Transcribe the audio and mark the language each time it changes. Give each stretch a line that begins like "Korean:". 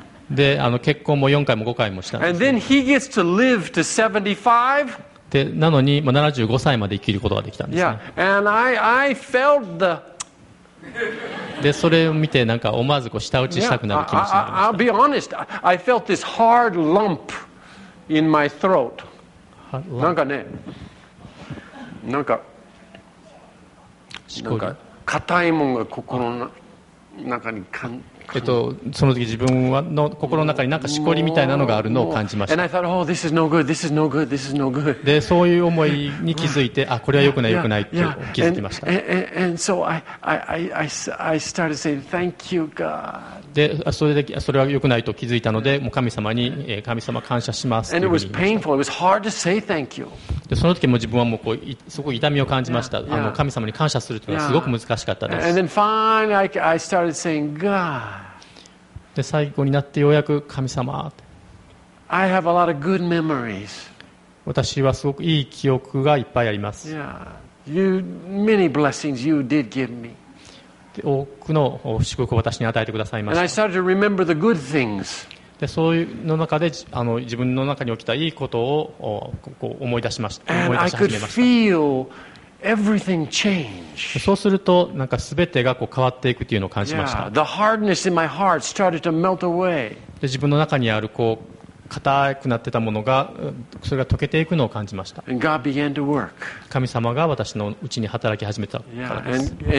Japanese: で結婚も4回も5回もしたんです、ね、to to でなのに、まあ、75歳まで生きることができたんですね。
English: yeah. And I
Japanese: でそれを見てなんか思わず舌打ちしたくなる気持ちになりました。
English: I felt this hard lump in my throat.
Japanese: なんかね、なんか硬いものが心の中に感じ、その時自分はの心の中に何かしこりみたいなのがあるのを感じました。
English: And I thought, oh, this is no good, this is no good, this is no good.
Japanese: でそういう思いに気づいて、あこれは良くない良くないって気づきました。
English: And so I started saying thank you God.
Japanese: でそれは良くないと気づいたので、もう神様に、神様感謝しますというふうに言いました。
English: And it was painful, it was hard to say thank you.
Japanese: でその時も自分はもうすごい痛みを感じました。 yeah, yeah. 神様に感謝するというのはすごく難しかったです。
English: And then finally I started saying God.
Japanese: で最後になってようやく神様、
English: I have a lot of good memories.
Japanese: 私はすごくいい記憶がいっぱいあります。
English: Yeah. You, many blessings you did give me.
Japanese: 多くの祝福を私に与えてくださいました。
English: And I started to remember the good things.
Japanese: でそういうの中で自分の中に起きたいいことを思い出しました。
English: And I could feel everything change.
Japanese: そうするとなんか全てがこう変わっていくというのを感じました。
English: Yeah. The hardness in my heart started to melt away.
Japanese: で自分の中にあるこう硬くなってたものがそれが溶けていくのを感じました。神様が私のうちに働き始めたからです。